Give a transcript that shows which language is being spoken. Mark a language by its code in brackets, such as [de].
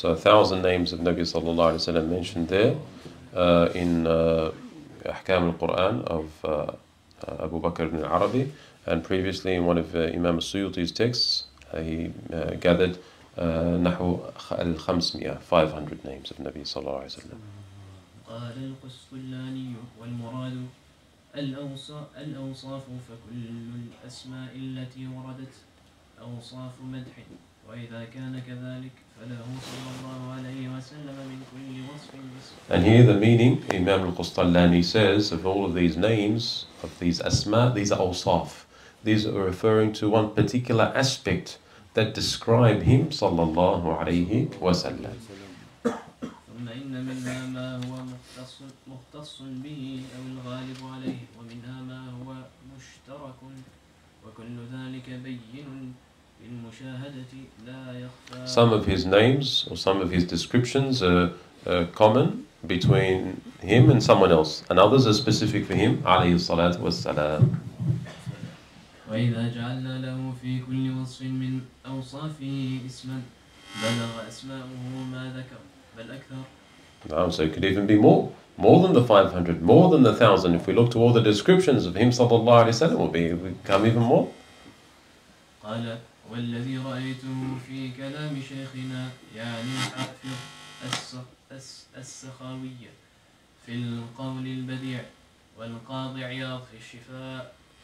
[en] نعم. So 1000 names of Nabi صلى الله عليه وسلم mentioned there in أحكام القرآن of Abu Bakr ibn al-Arabi, and previously in one of Imam al-Suyuti's texts he gathered نحو 500 names of Nabi صلى الله عليه وسلم. [ar] قال القسطلاني والمراد الأوصاف فكل الأسماء التي وردت أوصاف مدح وإذا كان كذلك فله صلى الله عليه وسلم من كل وصف. [en] And here the meaning Imam al-Qustalani says of all of these names of these asma, these are awsaf. These are referring to one particular aspect that describe him صلى الله عليه وسلم. [ar] ثم إن منها ما هو مختص به أو الغالب عليه، ومنها ما هو مشترك، وكل ذلك بين للمشاهدة لا يخفى. [en] Some of his names or some of his descriptions are common between him and someone else, and others are specific for him, عليه الصلاة والسلام. [ar] وإذا جعلنا له في كل وصف من أوصافه اسما بلغ أسماؤه ما ذكر بل أكثر. [en] Now, so it could even be more than the 500, more than the 1,000. If we look to all the descriptions of him صلى الله عليه وسلم, it will become even more. [ar] قال والذي رأيته في كلام شيخنا يعني حافظ السخاوية في القول البديع والقاضي عياض في الشفاء